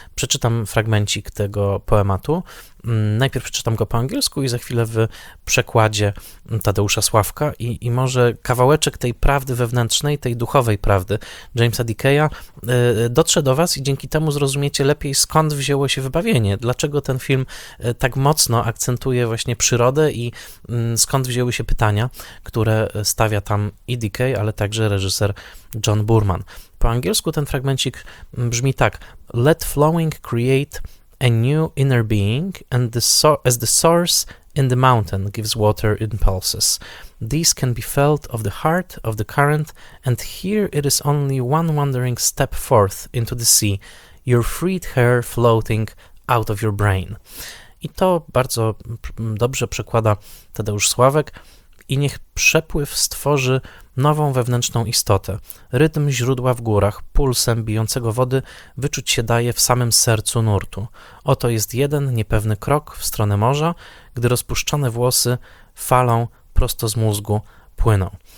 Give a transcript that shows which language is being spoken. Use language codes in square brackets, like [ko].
[pl] Przeczytam fragmencik tego poematu, najpierw przeczytam go po angielsku i za chwilę w przekładzie Tadeusza Sławka i może kawałeczek tej prawdy wewnętrznej, tej duchowej prawdy Jamesa DK'a dotrze do was i dzięki temu zrozumiecie lepiej, skąd wzięło się Wybawienie, dlaczego ten film tak mocno akcentuje właśnie przyrodę i skąd wzięły się pytania, które stawia tam i DK, ale także reżyser John Boorman. Po angielsku ten fragmencik brzmi tak: [en] Let flowing create a new inner being, and as the source in the mountain gives water in pulses. These can be felt of the heart, of the current, and here it is only one wandering step forth into the sea, your freed hair floating out of your brain. [pl] I to bardzo dobrze przekłada Tadeusz Sławek. I niech przepływ stworzy nową wewnętrzną istotę. Rytm źródła w górach, pulsem bijącego wody, wyczuć się daje w samym sercu nurtu. Oto jest jeden niepewny krok w stronę morza, gdy rozpuszczone włosy falą prosto z mózgu płyną.